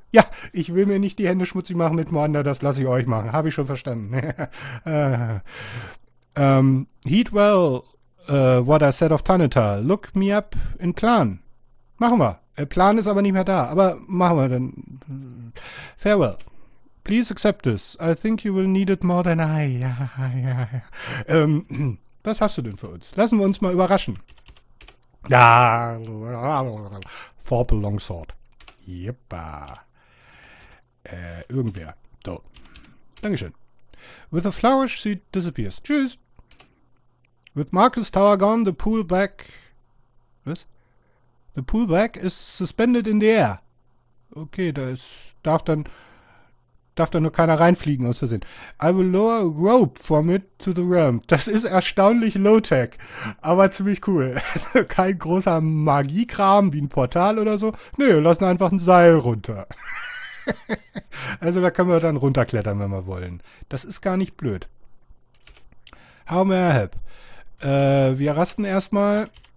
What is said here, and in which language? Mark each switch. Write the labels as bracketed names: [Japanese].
[German] Ja, ich will mir nicht die Hände schmutzig machen mit Moanda, das lasse ich euch machen. Habe ich schon verstanden. [English] heed well what I said of Tanital. Look me up in Plan. [German] Machen wir. Plan ist aber nicht mehr da, aber machen wir dann. [English] Farewell. Please accept this. I think you will need it more than I. [German] Ja. Was hast du denn für uns? Lassen wir uns mal überraschen. Ja. Vorpal Longsword. Jeppa. Irgendwer. So. Dankeschön. [English] With a flourish, she disappears. [German] Tschüss. [English] With Marcus Tower gone, the pool back. [German] Was? [English] The pool back is suspended in the air. [German] Okay, da ist. Darf da nur keiner reinfliegen aus Versehen. [English] I will lower a rope from it to the realm. [German] Das ist erstaunlich low-tech, aber ziemlich cool. Kein großer Magiekram wie ein Portal oder so. Nö, lassen einfach ein Seil runter. Also da können wir dann runterklettern, wenn wir wollen. Das ist gar nicht blöd. [English] How may I help? [German] Wir rasten erstmal.